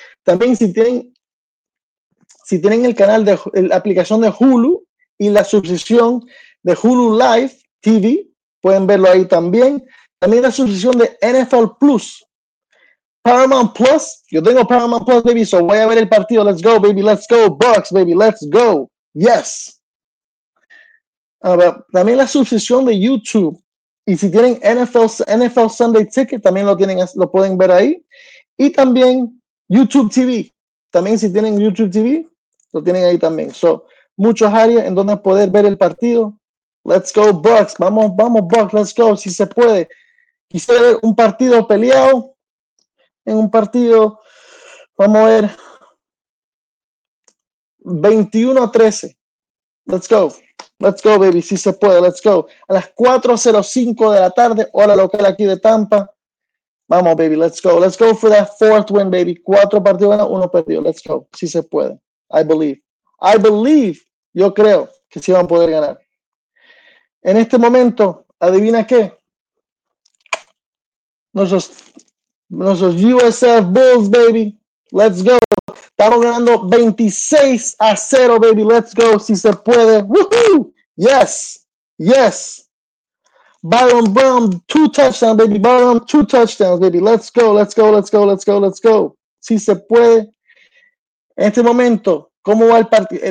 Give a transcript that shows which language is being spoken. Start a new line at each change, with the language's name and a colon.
Spanish: También si tienen el canal de la aplicación de Hulu y la suscripción de Hulu Live TV, pueden verlo ahí también. También la suscripción de NFL Plus, Paramount Plus. Yo tengo Paramount Plus, baby, so voy a ver el partido.
English: Let's go, baby, let's go, Bucks, baby, let's go. Yes.
Spanish: También la suscripción de YouTube, y si tienen NFL Sunday Ticket, también lo pueden ver ahí. Y también YouTube TV, también si tienen YouTube TV, lo tienen ahí también. So, muchas áreas en donde poder ver el partido.
English: Let's go Bucks,
Spanish: vamos Bucks,
English: let's go,
Spanish: si se puede. Quisiera ver un partido peleado, en un partido, vamos a ver, 21-13,
English: let's go. Let's go, baby,
Spanish: si se puede,
English: let's go.
Spanish: A las 4:05 de la tarde, hora local aquí de Tampa. Vamos,
English: baby, let's go for that fourth win, baby.
Spanish: 4 partidos ganados, 1 perdido,
English: let's go,
Spanish: si se puede.
English: I believe,
Spanish: yo creo que sí van a poder ganar. En este momento, adivina qué. Nuestros
English: USF Bulls, baby, let's go.
Spanish: Estamos ganando 26-0, baby.
English: Let's go,
Spanish: si se puede. Woohoo!
English: Yes, yes. Byron Brown, 2 touchdowns, baby. Byron, 2 touchdowns, baby. Let's go, let's go, let's go, let's go, let's go.
Spanish: Si se puede. En este momento, ¿cómo va el partido?